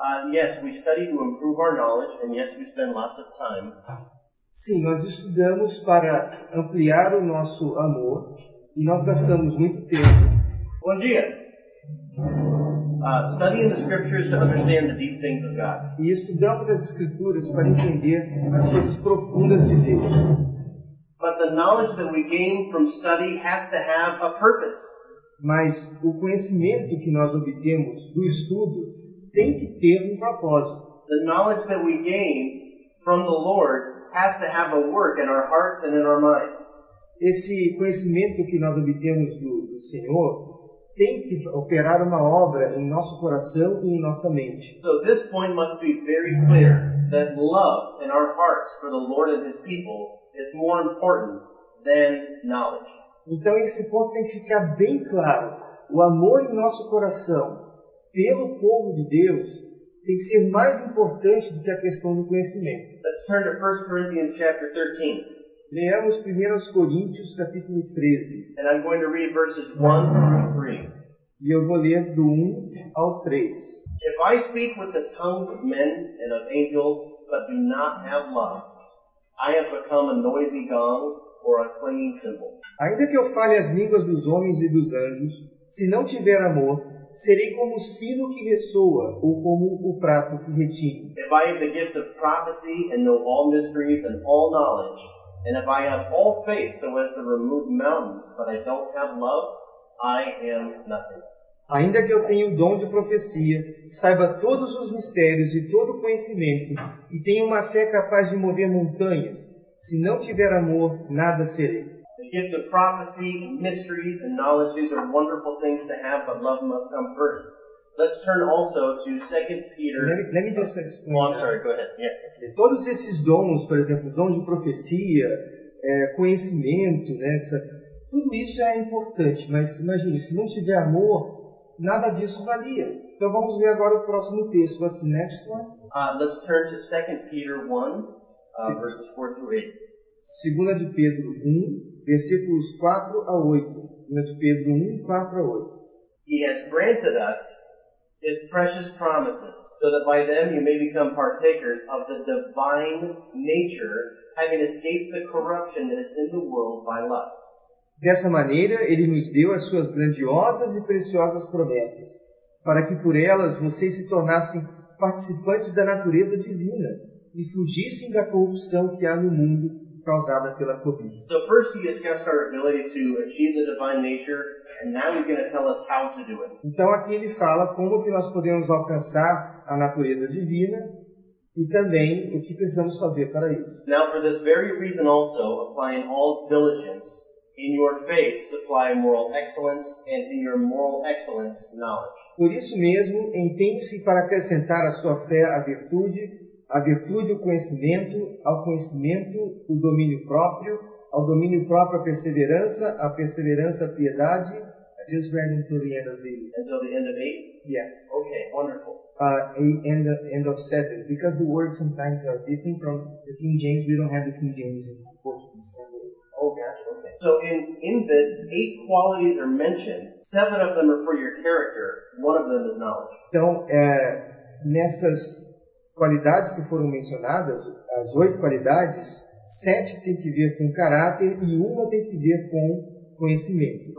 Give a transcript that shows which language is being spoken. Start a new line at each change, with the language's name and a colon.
English: Yes, we study to improve our knowledge, and yes, we spend lots of time.
Portuguese: Sim, nós estudamos para ampliar o nosso amor e nós gastamos muito tempo. Bom dia.
English: Studying the scriptures to understand the deep things of God.
Portuguese: E estudamos as escrituras para entender as coisas profundas de Deus.
English: But the knowledge that we gain from study has to have a purpose.
Portuguese: Mas o conhecimento que nós obtemos do estudo tem que ter um propósito.
English: The knowledge that we gain from the Lord has to have a work in our hearts and in our minds.
Portuguese: Esse conhecimento que nós obtemos do Senhor tem que operar uma obra em nosso coração e em nossa mente.
English: So this point must be very clear, that love in our hearts for the Lord and His people is more important than knowledge.
Portuguese: Então esse ponto tem que ficar bem claro. O amor em nosso coração pelo povo de Deus tem que ser mais importante do que a questão do conhecimento.
English: Let's turn to 1 Corinthians chapter 13.
Portuguese: Leamos 1 Coríntios capítulo 13.
English: And I'm going to read verses 1 through 3.
Portuguese: E eu vou ler do 1 ao 3.
English: If I speak with the tongues of men and of angels, but do not have love, I have become a noisy gong or a clanging cymbal.
Portuguese: Ainda que eu fale as línguas dos homens e dos anjos, se não tiver amor, serei como o sino que ressoa ou como o prato que retine.
English: If I have the gift of prophecy and know all mysteries and all knowledge, and if I have all faith so as to remove mountains, but I don't have love, I am nothing.
Portuguese: Ainda que eu tenha o dom de profecia, saiba todos os mistérios e todo o conhecimento, e tenha uma fé capaz de mover montanhas, se não tiver amor, nada serei.
English: The gift of prophecy, mysteries, and knowledge, these are wonderful things to have, but love must come first. Let's turn also to 2 Peter. Let me just explain. Oh, I'm sorry, go ahead. Yeah.
Portuguese: Todos esses dons, por exemplo, dons de profecia, conhecimento, né, etc. Tudo isso é importante, mas imagine, se não tiver amor, nada disso valia. Então vamos ver agora o próximo texto.
English: What's the next one? Let's turn to 2 Peter 1, verses 4 through 8.
Portuguese: 2 de Pedro 1, versículos 4 a 8. 2 de Pedro 1, 4 a 8.
English: He has granted us His precious promises, so that by them you may become partakers of the divine nature, having escaped the corruption that is in the world by lust.
Portuguese: Dessa maneira, Ele nos deu as suas grandiosas e preciosas promessas, para que por elas vocês se tornassem participantes da natureza divina e fugissem da corrupção que há no mundo causada pela cobiça.
English: So first he discussed our ability to achieve the divine nature, and now he's going to tell us how to do it.
Portuguese: Então aqui ele fala como que nós podemos alcançar a natureza divina e também o que precisamos fazer para isso.
English: Now for this very reason also, applying all diligence in your faith, supply moral excellence, and in your moral excellence, knowledge.
Portuguese: Por isso mesmo, empenhe-se para acrescentar à sua fé a virtude, a virtude, o conhecimento, ao conhecimento, o domínio próprio, ao domínio próprio, a perseverança, a piedade.
English: I just read until the end of the... Until the end of 8? Yeah. Okay, wonderful. End of 7. Because the words sometimes are different from the King James, we don't have the King James in Portuguese. Oh, gotcha, okay. So in this, 8 qualities are mentioned. 7 of them are for your character. One of them is knowledge.
Portuguese: Então, nessas qualidades que foram mencionadas, as 8 qualidades, 7 tem que ver com caráter e uma tem que ver com conhecimento.